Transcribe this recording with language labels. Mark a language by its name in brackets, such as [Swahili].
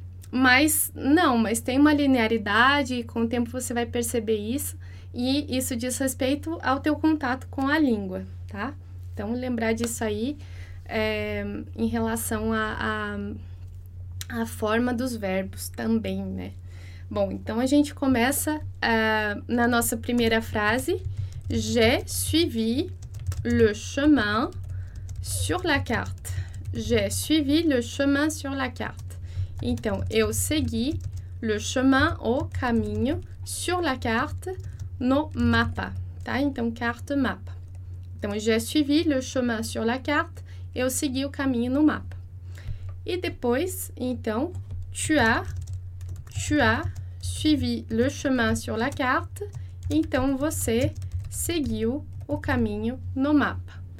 [Portuguese] Mas não, mas tem uma linearidade e com o tempo você vai perceber isso e isso diz respeito ao teu contato com a língua, tá? Então lembrar disso aí em relação à forma dos verbos também, né? Bom, então a gente começa na nossa primeira frase. [French] J'ai suivi le chemin sur la carte. J'ai suivi le chemin sur la carte. [Portuguese] Então, eu segui le chemin, o caminho, sur la carte, no mapa, tá? Então, carte, mapa. Então, j'ai suivi le chemin sur la carte, eu segui o caminho no mapa. E depois, então, tu as suivi le chemin sur la carte, então, você seguiu o caminho no mapa.